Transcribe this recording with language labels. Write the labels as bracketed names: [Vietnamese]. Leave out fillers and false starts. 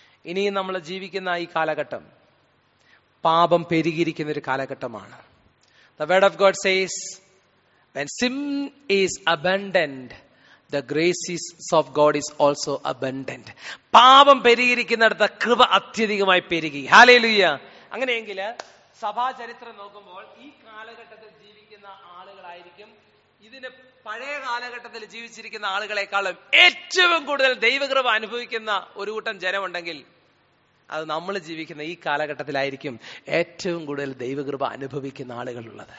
[Malayalam] ഇനിയും നമ്മൾ ജീവിക്കുന്ന ഈ കാലഘട്ടം പാപം പെരുകിയിരിക്കുന്ന ഒരു കാലഘട്ടമാണ്. [English] The word of God says, when sin is abundant, the graces of God is also abundant. [Malayalam] പാപം പെരുകിയിരിക്കുന്നിടത്ത് കൃപ അത്യധികമായി പെരുകി. ഹല്ലേലൂയ. അങ്ങനെയെങ്കിൽ സഭാ ചരിത്രം നോക്കുമ്പോൾ ഈ കാലഘട്ടത്തിൽ ജീവിക്കുന്ന ആളുകളായിരിക്കും ഇതിന് പഴയ കാലഘട്ടത്തിൽ ജീവിച്ചിരിക്കുന്ന ആളുകളെക്കാളും ഏറ്റവും കൂടുതൽ ദൈവകൃപ അനുഭവിക്കുന്ന ഒരു കൂട്ടം ജനമുണ്ടെങ്കിൽ അത് നമ്മൾ ജീവിക്കുന്ന ഈ കാലഘട്ടത്തിലായിരിക്കും ഏറ്റവും കൂടുതൽ ദൈവകൃപ അനുഭവിക്കുന്ന ആളുകളുള്ളത്.